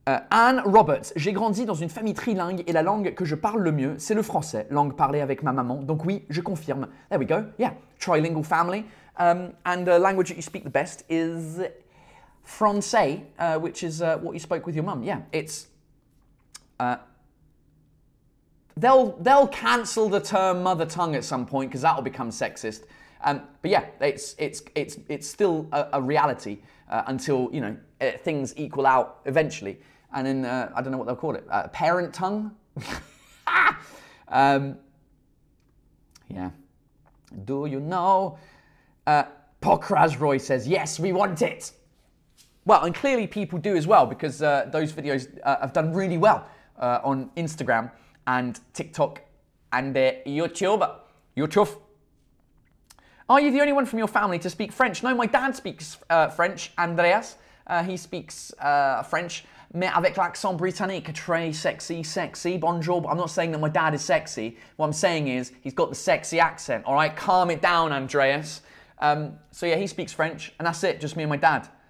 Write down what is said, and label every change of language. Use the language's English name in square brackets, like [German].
[French] Anne Roberts, j'ai grandi dans une famille trilingue et la langue que je parle le mieux, c'est le français, langue parlée avec ma maman. Donc oui, je confirme. [English] There we go. Yeah, trilingual family. And the language that you speak the best is français, which is what you spoke with your mum. Yeah, it's... They'll cancel the term mother tongue at some point because that'll become sexist. But yeah, it's still a reality until, you know, things equal out eventually. And then, I don't know what they'll call it, parent tongue? yeah. Do you know? Pokraz Roy says, yes, we want it. Well, and clearly people do as well, because those videos have done really well on Instagram and TikTok and YouTube. YouTube. Are you the only one from your family to speak French? No, my dad speaks French, Andreas. He speaks French. [French] Mais avec l'accent britannique, très sexy, sexy, bonjour. [English] But I'm not saying that my dad is sexy. What I'm saying is he's got the sexy accent. All right, calm it down, Andreas. So yeah, he speaks French and that's it, just me and my dad.